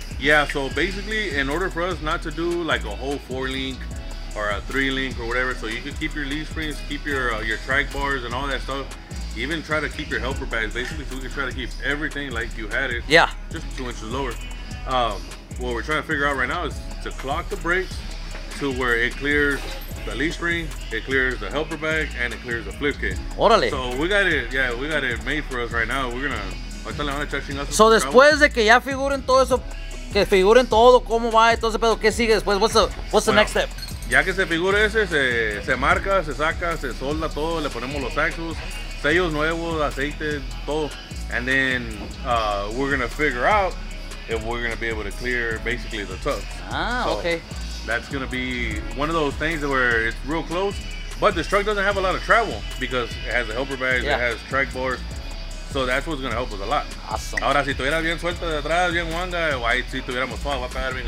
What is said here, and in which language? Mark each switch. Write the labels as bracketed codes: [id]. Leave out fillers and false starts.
[en] Yeah, so basically, in order for us not to do like a whole four link or a three link or whatever, so you can keep your leaf springs, keep your track bars and all that stuff, even try to keep your helper pads, basically, so we can try to keep everything like you had it. Yeah. Just 2 inches lower. What we're trying to figure out right now is to clock the brakes to where it clears the leaf spring, it clears the helper bag, and it clears the flip kit. [es] Orale. [en] So we got it, yeah, we got it made for us right now. We're gonna touching us. [es] So después de que ya figuren todo eso, que figuren todo cómo va y todo ese pedo, ¿qué sigue después? [en] What's the next step? [es] Ya que se figure ese, se marca, se saca, se solda todo, le ponemos los axles, sellos nuevos, aceite, todo. [en] And then we're gonna figure out if we're gonna be able to clear basically the tub. Ah, so, okay. That's gonna be one of those things where it's real close, but this truck doesn't have a lot of travel because it has the helper bags, yeah. It has track bars. So that's what's gonna help us a lot. Awesome. [es] Ahora si tuvieras bien suelta de atrás, bien wanga, guay, si tuviéramos todo, va a pegar bien